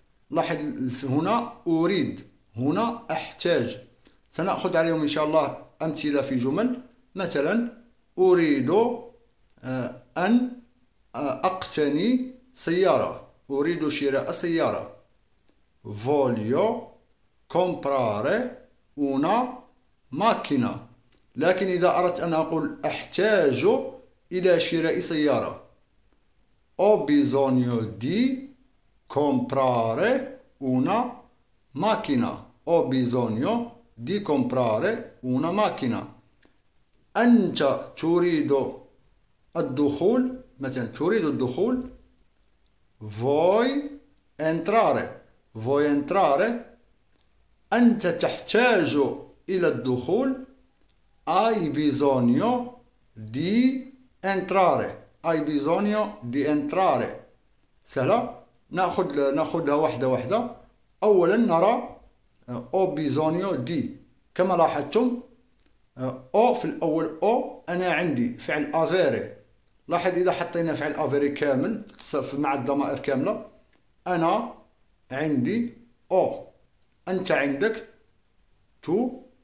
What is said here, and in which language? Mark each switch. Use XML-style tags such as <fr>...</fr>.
<ar>لاحظ هنا أريد، هنا أحتاج. سنأخذ عليهم إن شاء الله أمثلة في جمل، مثلا أريد أن أقتني سيارة، أريد شراء سيارة.</ar> <it>voglio comprare una macchina.</it> <ar>لكن إذا أردت أن أقول أحتاج إلى شراء سيارة،</ar> <it>ho bisogno di comprare una macchina. ho bisogno di comprare una macchina.</it> <ar>أنت تريد الدخول، مثلا تريد الدخول.</ar> <it>voi entrare. voi entrare.</it> <ar>أنت تحتاج إلى الدخول.</ar> <it>hai bisogno di entrare. hai bisogno di entrare.</it> <ar>سهلة، نأخذها واحدة واحدة. أولا نرى</ar> <it>ho bisogno di.</it> <ar>كما لاحظتم او في الأول، او أنا عندي فعل افيري. لاحظ إذا حطينا فعل افيري كامل مع الضمائر كاملة، أنا عندي، او أنت عندك، تو</ar>